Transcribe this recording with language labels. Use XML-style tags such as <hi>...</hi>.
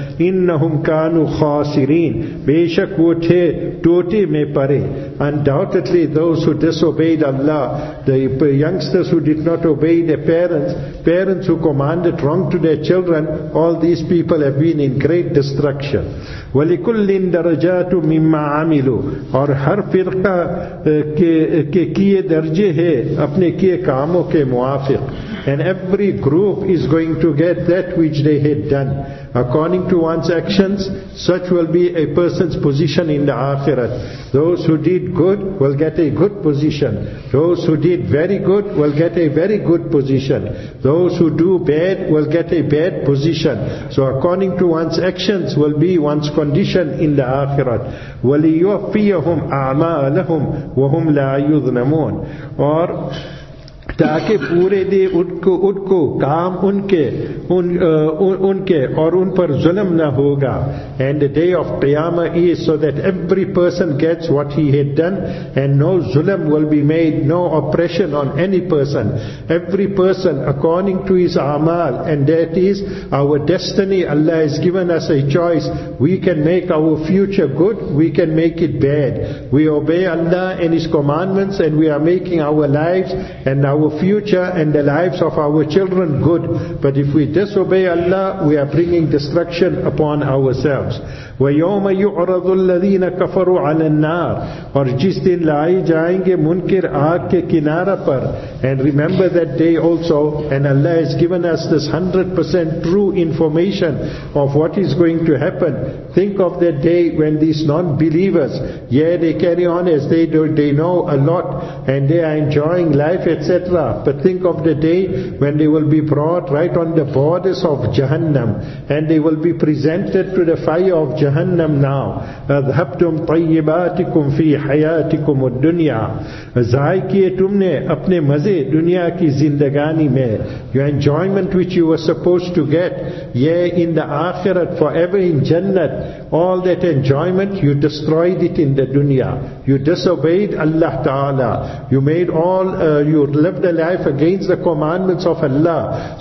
<ar>Innahum kanu khasirin,</ar> <ur>beshak wo the tote mein pare.</ur> <en>Undoubtedly those who disobeyed Allah, the youngsters who did not obey their parents, parents who commanded wrong to their children, all these people have been in great destruction.</en> <ar>وَلِكُلِّن دَرَجَاتُ مِمَّا عَمِلُوا,</ar> <ur>اور ہر فرقہ کے کیے درجے ہے اپنے کیے کاموں کے موافق.</ur> <en>And every group is going to get that which they had done. According to one's actions, such will be a person's position in the Akhirat. Those who did good will get a good position. Those who did very good will get a very good position. Those who do bad will get a bad position. So according to one's actions will be one's condition in the Akhirat.</en> <ar>وَلِيُوَفِّيَهُمْ أَعْمَالَهُمْ وَهُمْ لَا يُذْنَمُونَ,</ar> <ur>اور تاکہ پورے دے ان کو کام ان کے اور ان پر ظلم نہ ہوگا.</ur> <en>And the day of Qiyamah is so that every person gets what he had done, and no ظلم will be made, no oppression on any person. Every person according to his amal, and that is our destiny. Allah has given us a choice. We can make our future good, we can make it bad. We obey Allah and his commandments, and we are making our lives and our future and the lives of our children good. But if we disobey Allah, we are bringing destruction upon ourselves.</en> <ar>وَيَوْمَ يُعْرَضُ الَّذِينَ كَفَرُوا عَلَى النَّارِ,</ar> <ur>اور جس دن لائے جائیں گے منکر آگ کے کنارہ پر.</ur> <en>And remember that day also, and Allah has given us this 100% true information of what is going to happen. Think of that day when these non-believers, yeah, they carry on as they do, they know a lot and they are enjoying life, etc. But think of the day when they will be brought right on the borders of Jahannam, and they will be presented to the fire of Jahannam now.</en> <ar>اَذْهَبْتُمْ طَيِّبَاتِكُمْ فِي حَيَاتِكُمُ الدُّنْيَا,</ar> <ur>زائے کیے تم نے اپنے مزے دنیا کی زندگانی میں.</ur> <en>Your enjoyment which you were supposed to get, yeah, in the Akhirat, forever in Jannat, all that enjoyment, you destroyed it in the dunya. You disobeyed Allah Ta'ala. You made all, you lived a life against the commandments of Allah.</en>